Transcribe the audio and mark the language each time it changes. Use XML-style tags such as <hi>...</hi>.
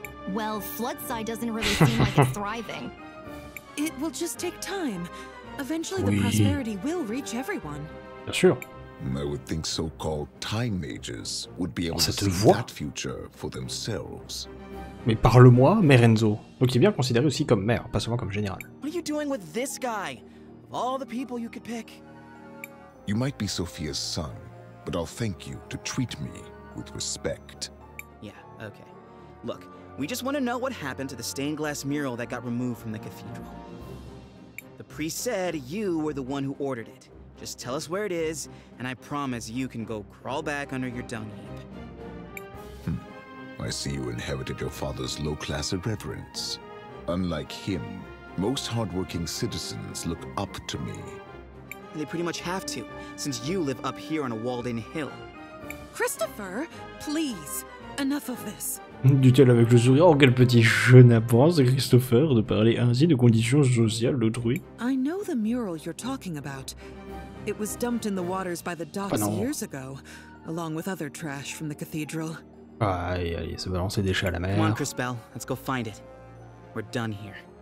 <en>Well, Floodside doesn't really seem like it's thriving. It will just take time. Eventually, the prosperity will reach everyone.</en> <fr>Bien sûr.</fr> <en>I would think so-called time mages would be able to see that future for themselves.</en> <fr>Mais parle-moi, Mère Enzo. Donc il est bien considéré aussi comme mère, pas seulement comme général.</fr> <en>What are you doing with this guy? Of all the people you could pick. You might be Sophia's son, but I'll thank you to treat me with respect. Yeah, okay. Look, we just want to know what happened to the stained glass mural that got removed from the cathedral. The priest said you were the one who ordered it. Just tell us where it is, and I promise you can go crawl back under your dung heap. I see you inherited your father's low-class irreverence. Unlike him, most hard-working citizens look up to me. They pretty much have to, since you live up here on a walled-in hill. Cristopher, please, enough of this.</en> <fr>Dut-elle avec le sourire, oh quel petit jeune apprenti, Cristopher, de parler ainsi de conditions sociales d'autrui.</fr> <en>I know the mural you're talking about. It was dumped in the waters by the docks years ago, along with other trash from the cathedral.</en> <fr>Aïe, aïe, se balancer des chats à la mer.</fr> <en>Come on, Crispell, let's go find it. We're done here.</en>